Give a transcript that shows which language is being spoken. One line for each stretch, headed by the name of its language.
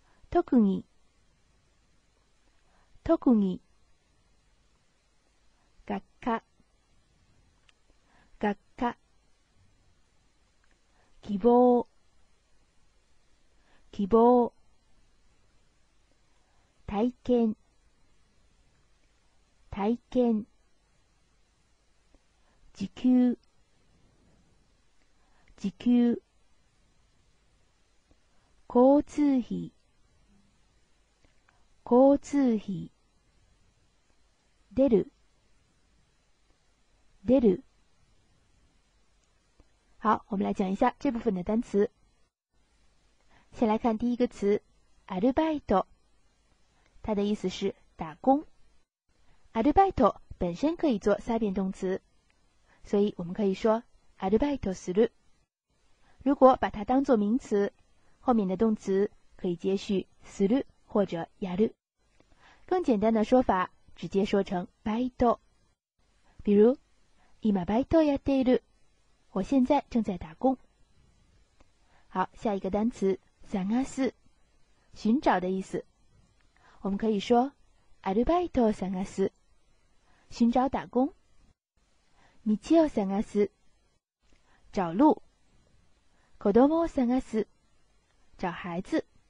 Japanese: 特技、特技、学科、学科、希望、希望、体験、体験、時給、時給、交通費、交通費、出る、出る。
Chinese: 好，我们来讲一下这部分的单词。先来看第一个词アルバイト，它的意思是打工。アルバイト本身可以做三变动词，所以我们可以说アルバイトする。如果把它当作名词，后面的动词可以接续する或者やる，更简单的说法直接说成バイト。比如
Japanese: 今バイトやっている，
Chinese: 我现在正在打工。好，下一个单词探す，寻找的意思，我们可以说
Japanese: アルバイト探す，
Chinese: 寻找打工。
Japanese: 道を探す，
Chinese: 找路。
Japanese: 子供を探す，
Chinese: 找孩子。